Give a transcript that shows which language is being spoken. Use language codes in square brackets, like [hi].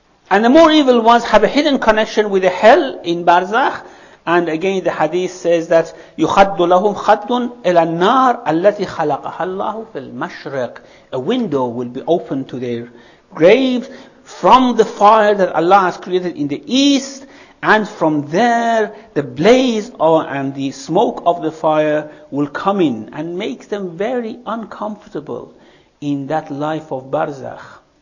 [en] And the more evil ones have a hidden connection with the hell in Barzakh. And again, the hadith says that [ar] يُخَدُّ لَهُمْ خَدٌ إِلَى النَّارِ الَّتِي خَلَقَهَا اللَّهُ فِي الْمَشْرِقِ. [en] A window will be opened to their graves from the fire that Allah has created in the east, And from there, the blaze or and the smoke of the fire will come in and make them very uncomfortable in that life of barzakh.